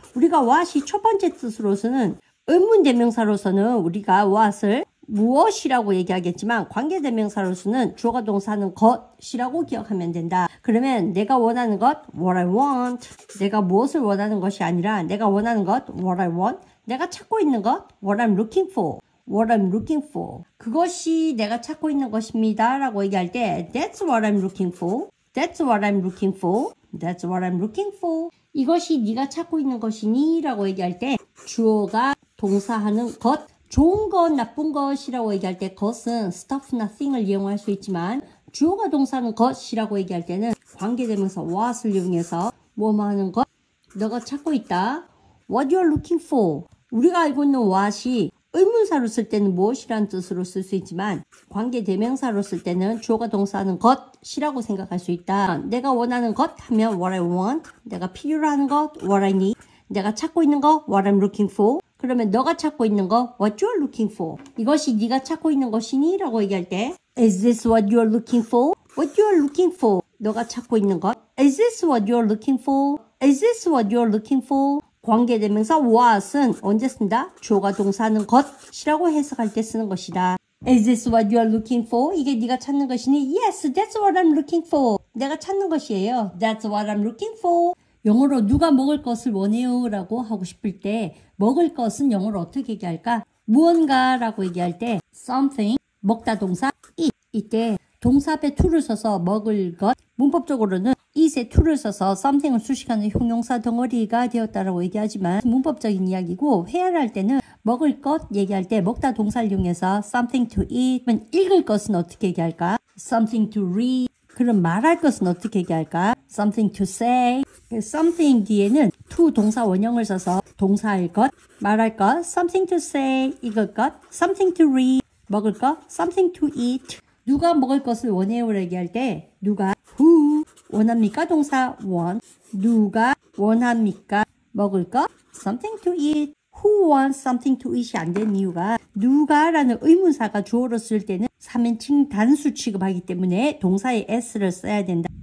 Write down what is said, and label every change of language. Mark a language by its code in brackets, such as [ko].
[ko] 우리가 what이 첫 번째 뜻으로서는 의문대명사로서는 우리가 what을 무엇이라고 얘기하겠지만 관계대명사로서는 주어가 동사하는 것이라고 기억하면 된다. 그러면 내가 원하는 것 [en] what I want. [ko] 내가 무엇을 원하는 것이 아니라 내가 원하는 것 what I want. 내가 찾고 있는 것 [en] what I'm looking for. What I'm looking for. [ko] 그것이 내가 찾고 있는 것입니다 라고 얘기할 때 [en] That's what I'm looking for. That's what I'm looking for. That's what I'm looking for. [ko] 이것이 네가 찾고 있는 것이니 라고 얘기할 때 주어가 동사하는 것 좋은 것 나쁜 것이라고 얘기할 때 것은 stuff nothing을 이용할 수 있지만 주어가 동사하는 것이라고 얘기할 때는 관계되면서 what을 이용해서 뭐뭐 하는 것 너가 찾고 있다 [en] What you're looking for. [ko] 우리가 알고 있는 what이 의문사로 쓸 때는 무엇이란 뜻으로 쓸 수 있지만 관계대명사로 쓸 때는 주어가 동사하는 것이라고 생각할 수 있다. 내가 원하는 것 하면 [en] what I want. [ko] 내가 필요로 하는 것 [en] what I need. [ko] 내가 찾고 있는 것 [en] what I'm looking for. [ko] 그러면 너가 찾고 있는 것 [en] what you're looking for. [ko] 이것이 네가 찾고 있는 것이니? 라고 얘기할 때 [en] is this what you're looking for? what you're looking for. [ko] 너가 찾고 있는 것 [en] is this what you're looking for? is this what you're looking for? [ko] 관계대명사 what은 언제 쓴다? 주어가 동사하는 것이라고 해석할 때 쓰는 것이다. [en] Is this what you are looking for? [ko] 이게 네가 찾는 것이니? [en] Yes, that's what I'm looking for. [ko] 내가 찾는 것이에요. [en] That's what I'm looking for. [ko] 영어로 누가 먹을 것을 원해요? 라고 하고 싶을 때 먹을 것은 영어로 어떻게 얘기할까? 무언가 라고 얘기할 때 something, 먹다 동사, eat. 이때 동사 앞에 to를 써서 먹을 것, 문법적으로는 is에 to를 써서 something을 수식하는 형용사 덩어리가 되었다라고 얘기하지만 문법적인 이야기고 회화를 할 때는 먹을 것 얘기할 때 먹다 동사를 이용해서 [en] something to eat [ko] 그러면 읽을 것은 어떻게 얘기할까? [en] something to read [ko] 그럼 말할 것은 어떻게 얘기할까? [en] something to say something [ko] 뒤에는 to 동사 원형을 써서 동사일 것, 말할 것, [en] something to say, [ko] 읽을 것, [en] something to read, [ko] 먹을 것, [en] something to eat. [ko] 누가 먹을 것을 원해요? 얘기할 때 누가, who, 원합니까? 동사, want. 누가 원합니까? 먹을 것, [en] something to eat. who wants something to eat [ko] 이 안 되는 이유가 누가라는 의문사가 주어로 쓸 때는 3인칭 단수 취급하기 때문에 동사에 s를 써야 된다.